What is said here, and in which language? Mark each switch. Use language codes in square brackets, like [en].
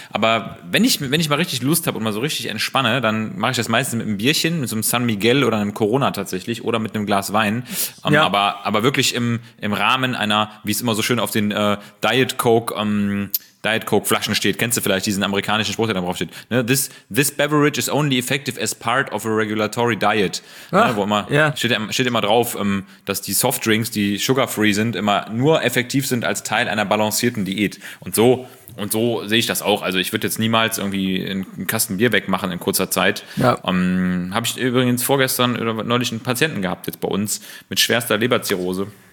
[de] Aber wenn ich mal richtig Lust habe und mal so richtig entspanne, dann mache ich das meistens mit einem Bierchen, mit so einem San Miguel oder einem Corona tatsächlich oder mit einem Glas Wein. Ja. Aber wirklich im Rahmen einer, wie es immer so schön auf den Diet Coke Flaschen steht, kennst du vielleicht diesen amerikanischen Spruch, der da drauf steht, ne? [en] This beverage is only effective as part of a regulatory diet. [de] Steht immer drauf, dass die Softdrinks, die sugar-free sind, immer nur effektiv sind als Teil einer balancierten Diät. Und so sehe ich das auch. Also ich würde jetzt niemals irgendwie einen Kasten Bier wegmachen in kurzer Zeit. Ja. Habe ich übrigens vorgestern oder neulich einen Patienten gehabt jetzt bei uns mit schwerster Leberzirrhose.